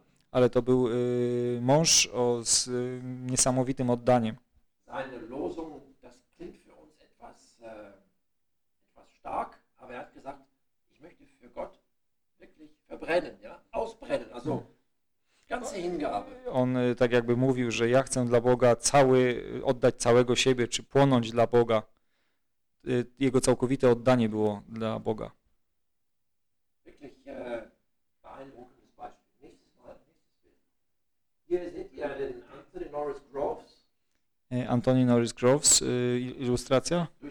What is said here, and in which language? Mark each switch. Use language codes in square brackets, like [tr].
[pl] Ale to był mąż z niesamowitym oddaniem. [de] Eine Losung, das klingt für uns etwas, etwas stark, aber er hat gesagt, ich möchte für Gott wirklich verbrennen, ja? Ausbrennen, also ganze Hingabe. [pl] On tak jakby mówił, że ja chcę dla Boga oddać całego siebie, czy płonąć dla Boga. Jego całkowite oddanie było dla Boga. [de] Wirklich beeindruckendes Beispiel. Nächstes Mal, nächstes Bild. Hier seht ihr den Anthony Norris Groves. [pl] Anthony Norris Groves, ilustracja.